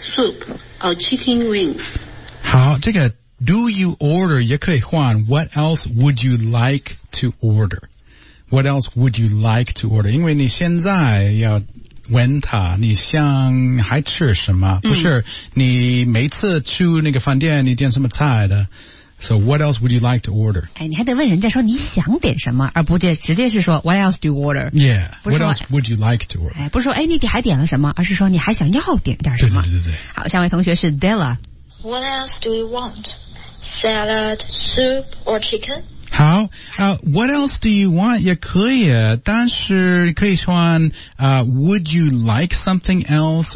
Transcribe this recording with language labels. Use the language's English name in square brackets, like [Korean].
[English] Do you order salad, soup, or chicken wings? [Chinese] 好，这个 [English] do you order [Chinese] 也可以换 [English] what else would you like to order? What else would you like to order? [Chinese] 因为你现在要问他你想还吃什么？不是，你每次去那个饭店你点什么菜的？ [English] So what else would you like to order? [Chinese] 哎，你还得问人家说你想点什么，而不是直接是说 [English] what else do you order? Yeah, what else would you like to order? [Chinese] 哎，不是说哎你还点了什么，而是说你还想要点点什么。对对对对。好，下一位同学是 Della。 [English] What else do you want? Salad, soup, or chicken? [Chinese] 好 [English] what else do you want? [Chinese] 也可以但是可以说 [English] would you like something else?